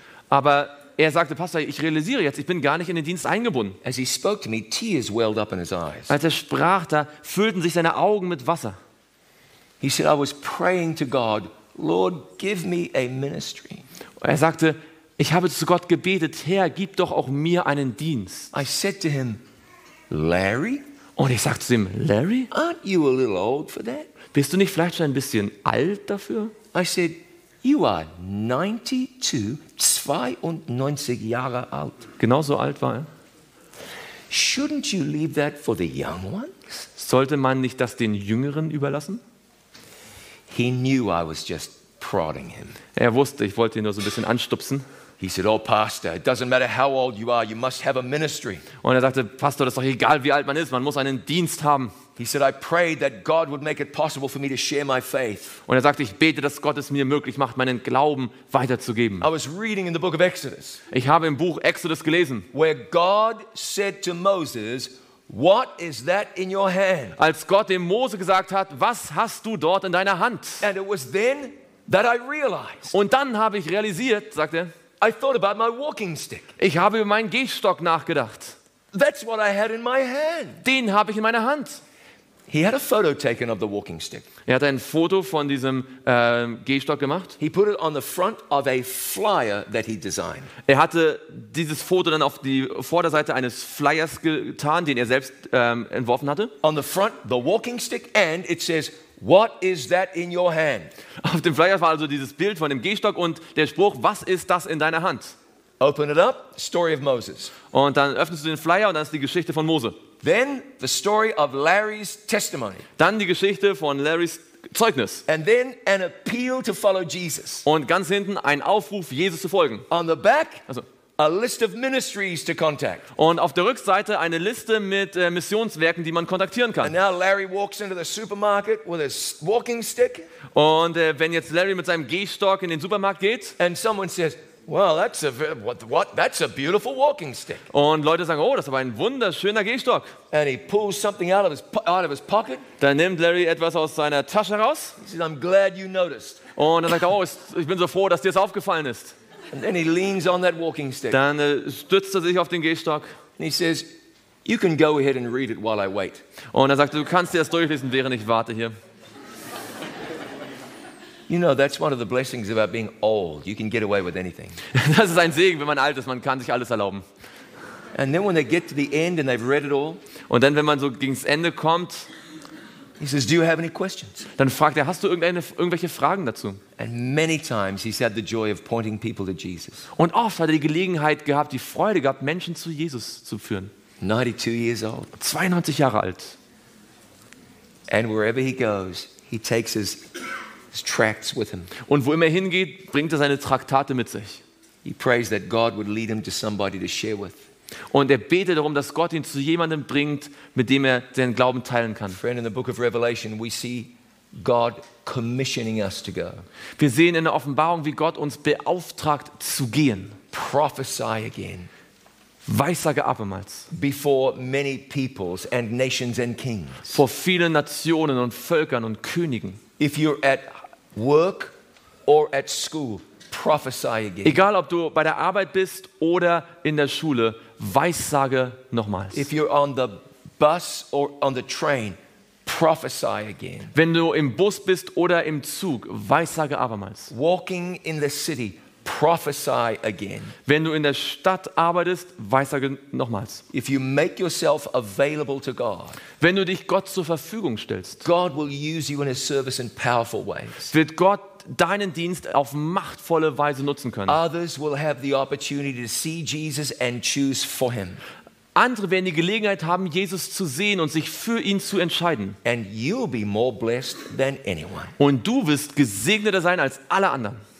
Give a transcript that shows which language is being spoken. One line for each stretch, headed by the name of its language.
German: Aber er sagte, Pastor, ich realisiere jetzt, ich bin gar nicht in den Dienst eingebunden.
English: As he spoke to me, tears welled up in his eyes.
German: Als er sprach, da füllten sich seine Augen mit Wasser.
English: He said, I was praying to God, Lord, give me a ministry.
German: Er sagte, ich habe zu Gott gebetet, Herr, gib doch auch mir einen Dienst.
English: I said to him, Larry?
German: Und ich sagte zu ihm, Larry?
English: Aren't you a little old for that?
German: Bist du nicht vielleicht schon ein bisschen alt dafür?
English: I said, you are 92
German: Jahre alt. Genauso alt war er.
English: Shouldn't you leave that for the young ones?
German: Sollte man nicht das den Jüngeren überlassen?
English: He knew I was just prodding him.
German: Er wusste, ich wollte ihn nur so ein bisschen anstupsen.
English: He said, "Oh, Pastor, it doesn't matter how old you are, you must have a ministry."
German: Und er sagte, Pastor, das ist doch egal, wie alt man ist, man muss einen Dienst haben.
English: He said, "I prayed that God would make it possible for me to share my faith."
German: Und er sagte, ich bete, dass Gott es mir möglich macht, meinen Glauben weiterzugeben.
English: I was reading in the book of Exodus.
German: Ich habe im Buch Exodus gelesen.
English: Where God said to Moses, "What is that in your hand?"
German: Als Gott dem Mose gesagt hat, was hast du dort in deiner Hand?
English: And it was then that I realized.
German: Und dann habe ich realisiert, sagte er,
English: I thought about my walking stick.
German: Ich habe über meinen Gehstock nachgedacht.
English: That's what I had in my hand.
German: Den habe ich in meiner Hand.
English: He had a photo taken of the walking stick.
German: Er hat ein Foto von diesem Gehstock gemacht.
English: He put it on the front of a flyer that he designed.
German: Er hatte dieses Foto dann auf die Vorderseite eines Flyers getan, den er selbst entworfen hatte.
English: On the front, the walking stick, and it says, "What is that in your hand?"
German: Auf dem Flyer war also dieses Bild von dem Gehstock und der Spruch, was ist das in deiner Hand?
English: Open it up, story of Moses.
German: Und dann öffnest du den Flyer und dann ist die Geschichte von Mose.
English: Then the story of Larry's testimony.
German: Dann die Geschichte von Larrys Zeugnis.
English: And then an appeal to follow Jesus.
German: Und ganz hinten ein Aufruf, Jesus zu folgen.
English: On the back, a list of ministries to contact.
German: Und auf der Rückseite eine Liste mit Missionswerken, die man kontaktieren kann.
English: And now Larry walks into the supermarket with his walking stick.
German: Und wenn jetzt Larry mit seinem Gehstock in den Supermarkt geht,
English: and someone says, "Well, that's a beautiful walking stick."
German: Und Leute sagen, oh, das ist aber ein wunderschöner Gehstock.
English: And he pulls something out of his pocket.
German: Dann nimmt Larry etwas aus seiner Tasche raus.
English: He says, "I'm glad you noticed."
German: Und er sagt, oh, ich bin so froh, dass dir das aufgefallen ist.
English: And then he leans on that walking stick.
German: Dann stützt er sich auf den Gehstock.
English: And he says, "You can go ahead and read it while I wait."
German: Und er sagt, du kannst dir das durchlesen, während ich warte hier.
English: You know, that's one of the blessings about being old. You can get away with anything.
German: Das ist ein Segen, wenn man alt ist. Man kann sich alles erlauben.
English: And then when they get to the end and they've read it all.
German: Und dann, wenn man so gegen das Ende kommt.
English: He says, "Do you have any questions?"
German: Dann fragt er, hast du irgendwelche Fragen dazu?
English: And many times he's had the joy of pointing people to Jesus.
German: Und oft hat er die Gelegenheit gehabt, die Freude gehabt, Menschen zu Jesus zu führen.
English: 92 years old.
German: 92 Jahre alt.
English: And wherever he goes, he takes his tracts with him.
German: Und wo immer hingeht, bringt er seine Traktate mit sich.
English: He prays that God would lead him to somebody to share with.
German: Und er betet darum, dass Gott ihn zu jemandem bringt, mit dem er seinen Glauben teilen kann.
English: Friend, in the book of Revelation, we see God commissioning us to go.
German: Wir sehen in der Offenbarung, wie Gott uns beauftragt zu gehen.
English: Prophesy again.
German: Weissage abermals.
English: Before many peoples and nations and kings.
German: Vor vielen Nationen und Völkern und Königen.
English: If you're at work or at school, prophesy again.
German: Egal ob du bei der Arbeit bist oder in der Schule, weissage nochmals.
English: If you're on the bus or on the train, prophesy again.
German: Wenn du im Bus bist oder im Zug, weissage abermals.
English: Walking in the city, prophesy again.
German: Wenn du in der Stadt arbeitest, weissage nochmals.
English: If you make yourself available to God,
German: wenn du dich Gott zur Verfügung stellst,
English: God will use you in His service in powerful ways.
German: Wird Gott deinen Dienst auf machtvolle Weise nutzen können.
English: Others will have the opportunity to see Jesus and choose for Him.
German: Andere werden die Gelegenheit haben, Jesus zu sehen und sich für ihn zu entscheiden.
English: And you'll be more blessed than anyone.
German: Und du wirst gesegneter sein als alle anderen.